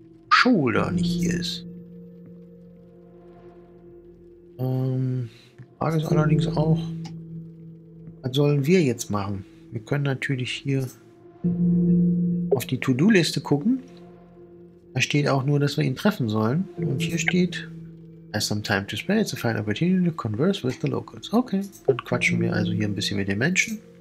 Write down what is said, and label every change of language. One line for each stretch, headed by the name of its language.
German: Shoulder nicht hier ist. Frage ist allerdings auch, was sollen wir jetzt machen? Wir können natürlich hier auf die To-Do-Liste gucken. Da steht auch nur, dass wir ihn treffen sollen. Und hier steht,
English: has some time to spare, it's a fine opportunity to converse with the locals.
German: Okay, dann quatschen wir also hier ein bisschen mit den Menschen.